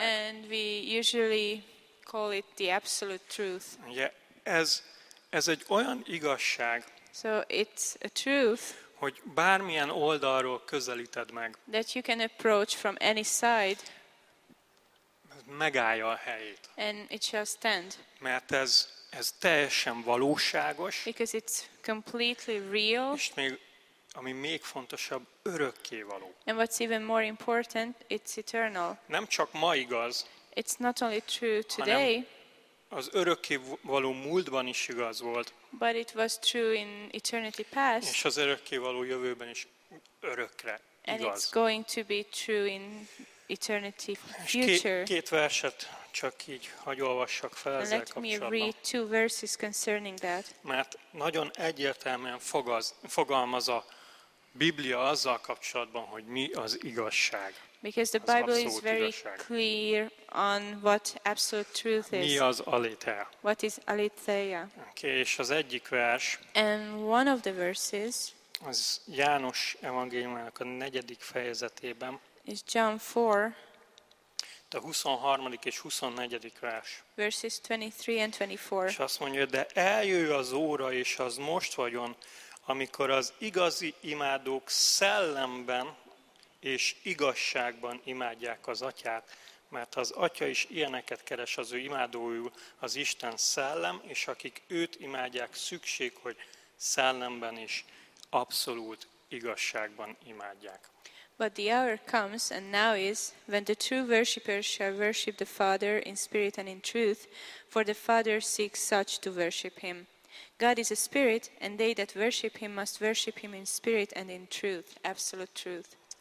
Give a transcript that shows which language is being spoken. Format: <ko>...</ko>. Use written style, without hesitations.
<en>And we usually call it the absolute truth.</en> <hu>Ugye, ez egy olyan igazság,</hu> <en>so it's a truth,</en> <hu>hogy bármilyen oldalról közelíted meg,</hu> <en>that you can approach from any side,</en> <hu>megállja a helyét.</hu> <en>And it shall stand.</en> <hu>Mert ez teljesen valóságos.</hu> <en>Because it's completely real.</en> <hu>És még, ami még fontosabb, örökké való.</hu> <en>And what's even more important, it's eternal.</en> <hu>Nem csak ma igaz.</hu> <en>It's not only true today.</en> <hu>Az örökké való múltban is igaz volt.</hu> <en>But it was true in eternity past.</en> <hu>És az örökké való jövőben is örökre igaz.</hu> <en>And it's going to be true in eternity future.</en> <hu>Két verset csak így hagy olvassak fel ezzel kapcsolatban.</hu> <en>Let me read two verses concerning that.</en> <hu>Mert nagyon egyértelműen fogalmaz a Biblia azzal kapcsolatban, hogy mi az igazság.</hu> <en>Because the Bible is very clear on what absolute truth is.</en> <hu>Mi az aletheia?</hu> <en>What is aletheia?</en> <hu>Okay, és az egyik vers.</hu> <en>And one of the verses.</en> <hu>Az János evangéliumának a 4. fejezetében.</hu> <en>Is John 4.</en> <hu>A 23. és 24. vers.</hu> <en>Verses 23 and 24.</en> <hu>És azt mondja, de eljő az óra, és az most vagyon, amikor az igazi imádók szellemben és igazságban imádják az atyát, mert az atya is ilyeneket keres az ő imádójul, az Isten szellem, és akik őt imádják, szükség, hogy szellemben és abszolút igazságban imádják.</hu> <en>But the hour comes, and now is, when the true worshippers shall worship the Father in spirit and in truth, for the Father seeks such to worship him. God is a spirit, and they that worship him must worship him in spirit and in truth, absolute truth.</en>